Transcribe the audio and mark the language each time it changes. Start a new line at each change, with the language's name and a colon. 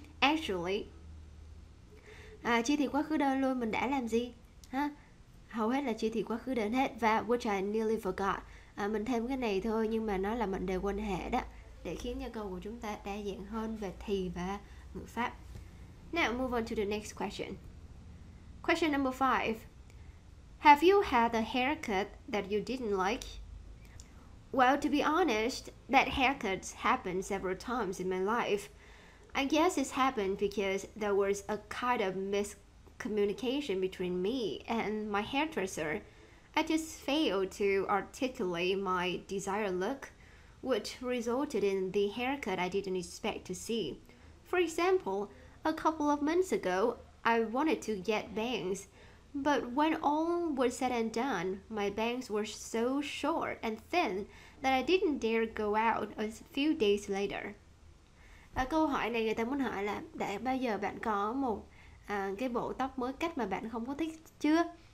English: Actually,
Vietnamese: chi thì quá khứ đơn luôn, mình đã làm gì ha? Hầu hết là chi thì quá khứ đơn hết. Và
English: which I nearly forgot,
Vietnamese: mình thêm cái này thôi, nhưng mà nó là mệnh đề quan hệ đó, để khiến cho câu của chúng ta đa dạng hơn về thì và ngữ pháp.
English: Now move on to the next question. Question number 5. Have you had a haircut that you didn't like? Well, to be honest, bad haircuts happened several times in my life. I guess it happened because there was a kind of miscommunication between me and my hairdresser. I just failed to articulate my desired look, which resulted in the haircut I didn't expect to see. For example, a couple of months ago, I wanted to get bangs, but when all was said and done, my bangs were so short and thin that I didn't dare go out a few days later.
Vietnamese: À, câu hỏi này người ta muốn hỏi là đã bao giờ bạn có một cái bộ tóc mới cắt mà bạn không có thích chưa?